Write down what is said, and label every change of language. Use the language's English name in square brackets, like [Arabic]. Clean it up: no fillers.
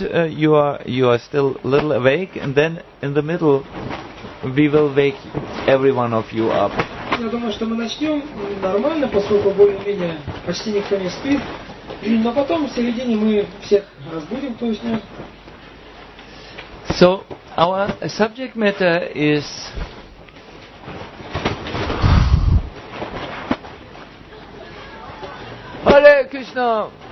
[English] You are still a little awake, and then in the middle we will wake every one of you up. [Russian] Я думаю, что мы начнем нормально, поскольку более-менее почти никто не спит. Но потом в середине мы всех разбудим, кто уснет. [English] So, our subject matter is Hare Krishna!